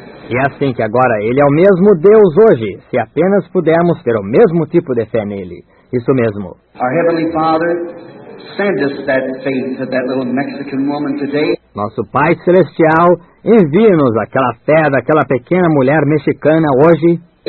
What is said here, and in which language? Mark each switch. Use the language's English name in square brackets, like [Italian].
[Portuguese] E assim que agora, ele é o mesmo Deus hoje, se apenas pudermos ter o mesmo tipo de fé nele. Isso mesmo. [English] Our Heavenly Father sent us that faith to that little Mexican woman today. [Portuguese] Nosso Pai Celestial, envie-nos aquela fé daquela pequena mulher mexicana hoje.